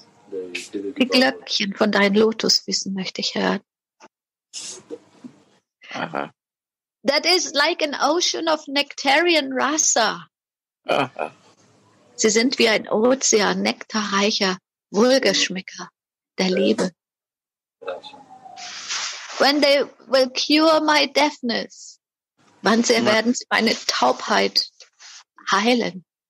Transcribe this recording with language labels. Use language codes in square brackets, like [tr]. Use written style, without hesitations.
[de] Die Glöckchen von deinen Lotusfüßen möchte ich hören. Aha. [en] That is like an ocean of nectarian rasa. Aha. [de] Sie sind wie ein Ozean nektarreicher Wohlgeschmäcker der Liebe. [en] When they will cure my deafness. [de] Wann sie werden sie meine Taubheit heilen?